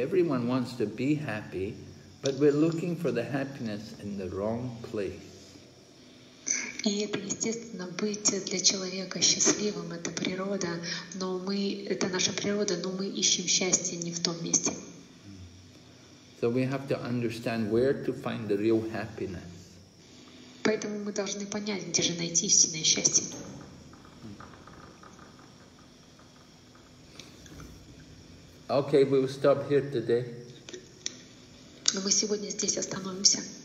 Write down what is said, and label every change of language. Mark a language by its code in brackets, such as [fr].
[en] Everyone wants to be happy, but we're looking for the happiness in the wrong place. [ru] И это, естественно, быть для человека счастливым, это природа, но мы, это наша природа, но мы ищем счастье не в том месте. [en] So we have to understand where to find the real happiness. [ru] поэтому мы должны понять, где же найти истинное счастье. [en] Okay, we will stop here today. [ru] Мы сегодня здесь остановимся.